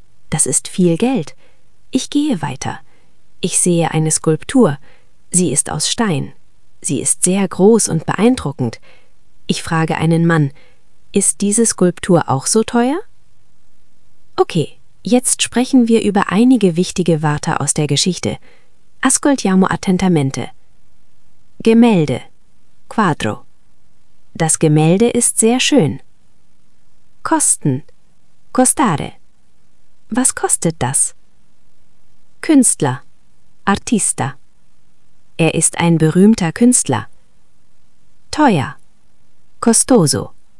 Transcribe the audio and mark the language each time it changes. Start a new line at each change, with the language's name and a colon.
German: Das ist viel Geld. Ich gehe weiter. Ich sehe eine Skulptur. Sie ist aus Stein. Sie ist sehr groß und beeindruckend. Ich frage einen Mann, ist diese Skulptur auch so teuer? Okay, jetzt sprechen wir über einige wichtige Wörter aus der Geschichte.
Italian: Ascoltiamo attentamente.
German: Gemälde, quadro. Das Gemälde ist sehr schön. Kosten, costare. Was kostet das? Künstler, artista. Er ist ein berühmter Künstler. Teuer, costoso.